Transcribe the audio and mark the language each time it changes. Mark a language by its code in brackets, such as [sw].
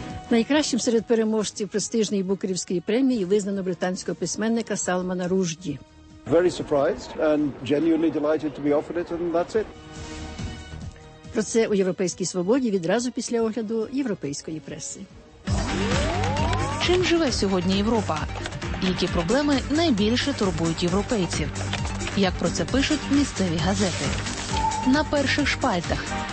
[uk] Найкращим серед переможців престижної Букерівської премії визнано британського письменника Салмана Ружді. [en] Very surprised and genuinely delighted to be offered it, and that's it. [uk] Про це у Європейській свободі відразу після огляду європейської преси. Чим живе сьогодні Європа? Які проблеми найбільше турбують європейців? Як про це пишуть місцеві газети? На перших шпальтах.